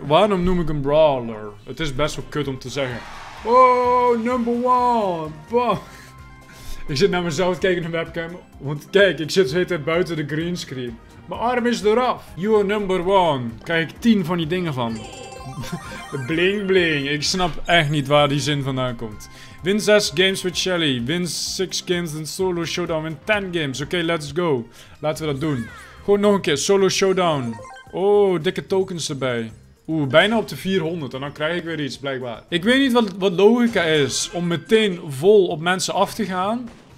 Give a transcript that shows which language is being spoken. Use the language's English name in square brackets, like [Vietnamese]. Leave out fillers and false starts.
[Dutch] Waarom noem ik hem brawler? Het is best wel kut om te zeggen. [English] Oh, number one! Bam. [Dutch] Ik zit naar mezelf te kijken in de webcam. Want kijk, ik zit de hele tijd buiten de greenscreen. Mijn arm is eraf! [English] You are number one! [Dutch] Krijg ik 10 van die dingen van. Bling bling, ik snap echt niet waar die zin vandaan komt. [English] Win 6 games with Shelly. Win 6 games in solo showdown. Win 10 games. Oké, let's go. [Dutch] Laten we dat doen. Gewoon nog een keer, solo showdown. Oh, dikke tokens erbij. Oeh, bijna op de 400. En dan krijg ik weer iets, blijkbaar. Ik weet niet wat logica is om meteen vol op mensen af te gaan.